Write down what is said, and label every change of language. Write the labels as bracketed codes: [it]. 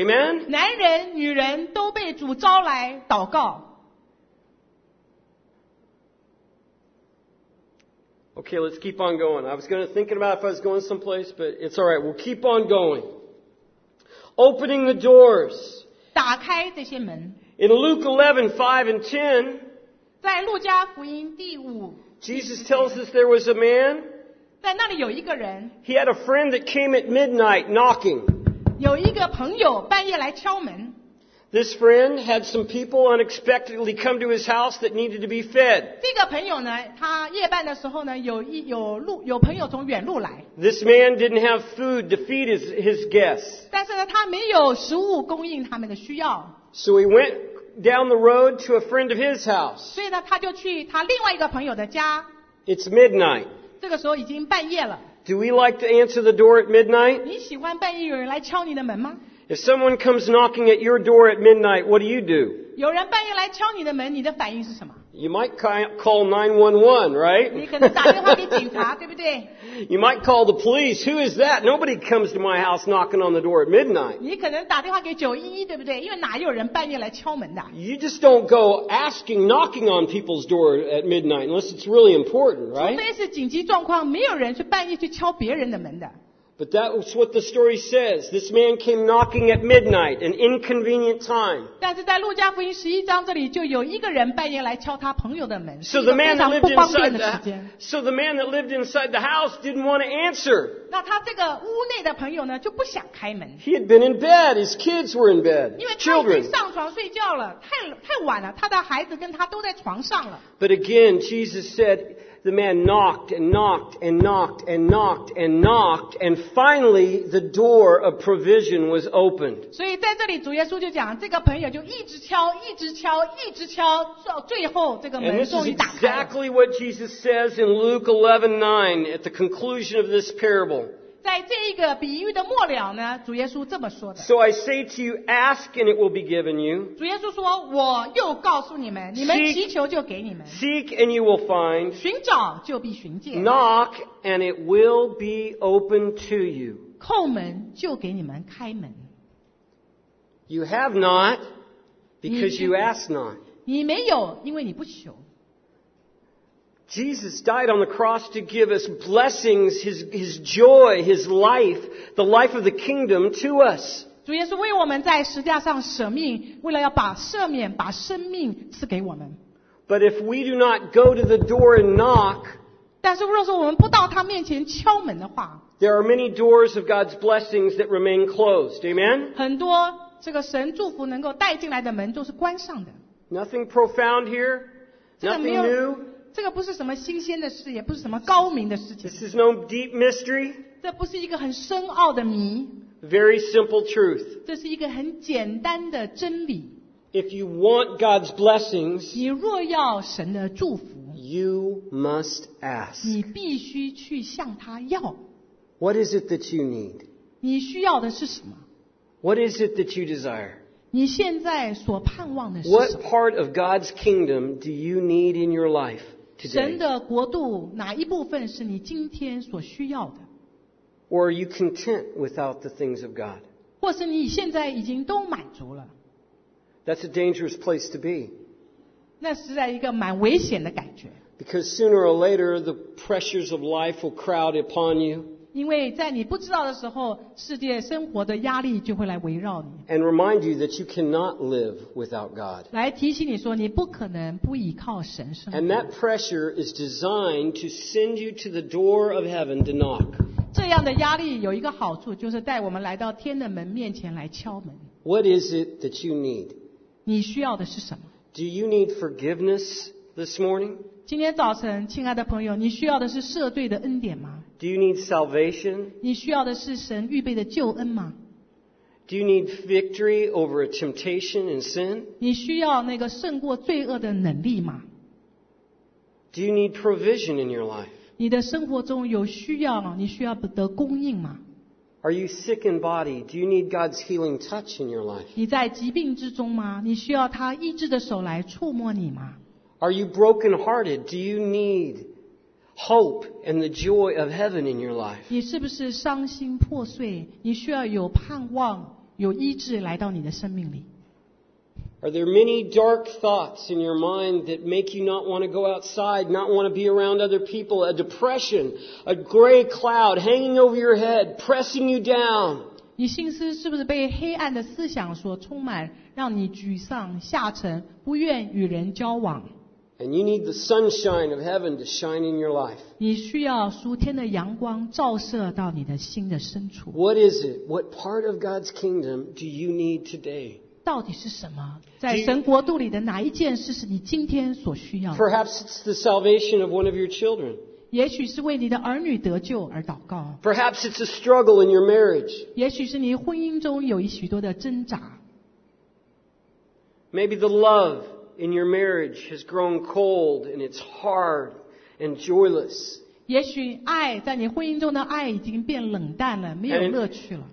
[en] Amen. [zh] 男人、女人都被主召来祷告。 [en] Okay, let's keep on going. I was going to think about if I was going someplace, but it's all right. We'll keep on going. Opening the doors. [zh] 打开这些门。 [en] In Luke 11, 5 and 10, [zh] 在路加福音第五 [en] Jesus tells us there was a man. [zh] 在那里有一个人。 [en] He had a friend that came at midnight knocking. [zh] 有一个朋友半夜来敲门。 [en] This friend had some people unexpectedly come to his house that needed to be fed. [zh] 这个朋友呢，他夜半的时候呢，有朋友从远路来。 [en] This man didn't have food to feed his guests. [zh] 但是呢，他没有食物供应他们的需要。 [en] So he went down the road to a friend of his house. [zh] 所以呢，他就去他另外一个朋友的家。 [en] It's midnight. [zh] 这个时候已经半夜了。 [en] Do we like to answer the door at midnight? [zh] 你喜欢半夜有人来敲你的门吗？ [en] If someone comes knocking at your door at midnight, what do you do? [zh] 有人半夜来敲你的门，你的反应是什么？ [en] You might call 911, right? [zh] 你可能打电话给警察，对不对？ [en] You might call the police. Who is that? Nobody comes to my house knocking on the door at midnight. [zh] 你可能打电话给911，对不对？因为哪有人半夜来敲门的？ [en] You just don't go asking, knocking on people's door at midnight unless it's really important, right? [zh] 除非是紧急状况，没有人去半夜去敲别人的门的。 [en] But that's what the story says. This man came knocking at midnight, an inconvenient time. [zh] 但是在路加福音十一章这里就有一个人半夜来敲他朋友的门，是一个非常不方便的时间。 [en] So the man that lived inside the house didn't want to answer. [zh] 那他这个屋内的朋友呢就不想开门。 [en] He had been in bed. His kids were in bed. [zh] 因为他已经上床睡觉了，太晚了，他的孩子跟他都在床上了。 [en] But again, Jesus said,The man knocked and knocked and knocked and knocked and knocked, and finally the door of provision was opened. [zh] 所以在这里主耶稣就讲，这个朋友就一直敲，一直敲，一直敲，最后这个门终于打开了。 [en] And this is exactly what Jesus says in Luke 11:9 at the conclusion of this parable. [zh] 在这一个比喻的末了呢，主耶稣这么说的。 [en] So I say to you, ask and it will be given you. [zh] 主耶稣说，我又告诉你们，你们祈求就给你们。 [en] Seek and you will find. [zh] 寻找就必寻见。 [en] Knock and it will be opened to you. [zh] 叩门就给你们开门。 [en] You have not because you ask not. [zh] 你没有，因为你不求。 [en] Jesus died on the cross to give us blessings, his joy, his life, the life of the kingdom to us. [zh] 主耶稣为我们在十字架上舍命，为了要把赦免、把生命赐给我们。 [en] But if we do not go to the door and knock, [zh] 但是若是我们不到他面前敲门的话， [en] there are many doors of God's blessings that remain closed. Amen? [zh] 很多这个神祝福能够带进来的门都是关上的。 [en] Nothing profound here. Nothing new. [zh] 这个不是什么新鲜的事，也不是什么高明的事情。 [en] This is no deep mystery. [zh] 这不是一个很深奥的谜。 [en] Very simple truth. [zh] 这是一个很简单的真理。 [en] If you want God's blessings, [zh] 你若要神的祝福， [en] you must ask. [zh] 你必须去向他要。 [en] What is it that you need? [zh] 你需要的是什么？ [en] What is it that you desire? [zh] 你现在所盼望的是什么？ [en] What part of God's kingdom do you need in your life today? [zh] 神的国度哪一部分是你今天所需要的？ [en] Or are you content without the things of God? [zh] 或是你现在已经都满足了？ [en] That's a dangerous place to be. [zh] 那是在一个蛮危险的感觉。 [en] Because sooner or later, the pressures of life will crowd upon you. [zh] 因为在你不知道的时候，世界生活的压力就会来围绕你。 [en] And remind you that you cannot live without God. [zh] 来提醒你说，你不可能不依靠神生活。 [en] And that pressure is designed to send you to the door of heaven to knock. [zh] 这样的压力有一个好处，就是带我们来到天的门面前来敲门。 [en] What is it that you need? [zh] 你需要的是什么？ [en] Do you need forgiveness this morning? [zh] 今天早晨，亲爱的朋友，你需要的是赦罪的恩典吗？ [en] Do you need salvation? [zh] 你需要的是神预备的救恩吗？ [en] Do you need victory over a temptation and sin? [zh] 你需要那个胜过罪恶的能力吗？ [en] Do you need provision in your life? [zh] 你的生活中有需要吗？你需要得供应吗？ [en] Are you sick in body? Do you need God's healing touch in your life? [zh] 你在疾病之中吗？你需要他医治的手来触摸你吗？ [en] Are you broken hearted? Do you need Hope and the joy of heaven in your life. [zh] 你是不是伤心破碎？你需要有盼望，有医治来到你的生命里。 [en] Are there many dark thoughts in your mind that make you not want to go outside, not want to be around other people? A depression, a gray cloud hanging over your head, pressing you down. [zh] 你心思是不是被黑暗的思想所充满，让你沮丧、下沉，不愿与人交往？ [en] And you need the sunshine of heaven to shine in your life. [zh] 你需要属天的阳光照射到你的心的深处。 [en] What is it? What part of God's kingdom do you need today? [zh] 到底是什么？在神国度里的哪一件事是你今天所需要的？ [en] Perhaps it's the salvation of one of your children. [zh] 也许是为你的儿女得救而祷告。 [en] Perhaps it's a struggle in your marriage. [zh] 也许是你婚姻中有许多的挣扎。 [en] Maybe the love. In your marriage has grown cold and it's hard and joyless. [zh] 也许爱在你婚姻中的爱已经变冷淡了，没有乐趣了。